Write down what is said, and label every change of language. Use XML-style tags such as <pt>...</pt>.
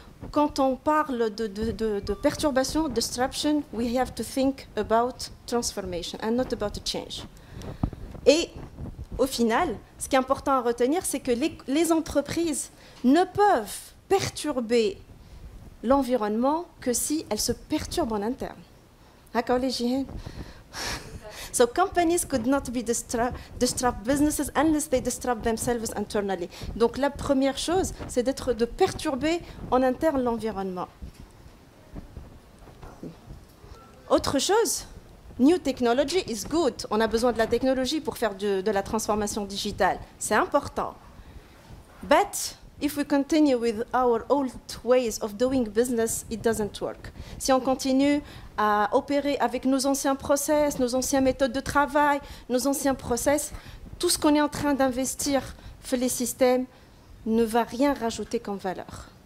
<fr>Quand on parle de perturbation, disruption,</fr> <en>we have to think about transformation and not about change.</en> <fr>Et au final, ce qui est important à retenir, c'est que les entreprises ne peuvent perturber l'environnement que si elles se perturbent en interne. D'accord, les gens?</fr> <en>So companies could not be disrupt businesses unless they disrupt themselves internally.</en> <fr>Donc la première chose, c'est de perturber en interne l'environnement. Autre chose,</fr> <en>new technology is good.</en> <fr>On a besoin de la technologie pour faire de la transformation digitale. C'est important.</fr> <en>But if we continue with our old ways of doing business, it doesn't work.</en> <fr>Si on continue à opérer avec nos anciens process, nos anciennes méthodes de travail, nos anciens process, tout ce qu'on est en train d'investir dans les systèmes ne va rien rajouter comme valeur.</fr>